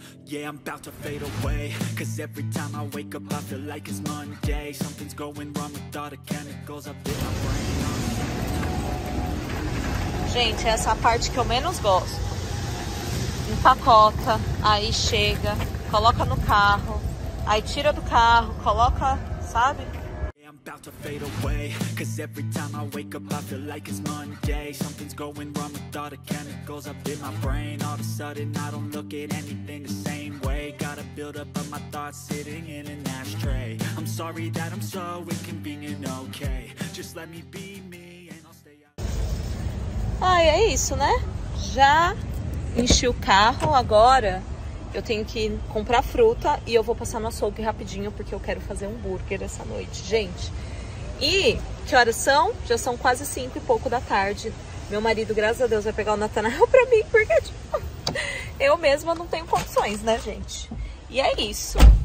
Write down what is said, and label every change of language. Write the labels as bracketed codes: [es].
[en] Yeah, I'm about to fade away. Cause every time I wake up, I feel like it's Monday. Something's going wrong with all the chemicals up in my brain. [pt] Gente, essa é a parte que eu menos gosto. Empacota, aí chega, coloca no carro, aí tira do carro, coloca, sabe? [en] about to fade away. Cause every time I wake up I feel like it's Monday. Something's going wrong with all the chemicals up in my brain. All of a sudden I don't look at anything the same way. Gotta build up of my thoughts sitting in an ashtray. I'm sorry that I'm so inconvenient, okay. Just let me be me and I'll stay out. [pt] Ai, é isso, né? Já enchi o carro, agora eu tenho que comprar fruta e eu vou passar no açougue rapidinho porque eu quero fazer um hambúrguer essa noite, gente. E que horas são? Já são quase 5 e pouco da tarde. Meu marido, graças a Deus, vai pegar o Natanael pra mim porque tipo, eu mesma não tenho condições, né, gente? E é isso.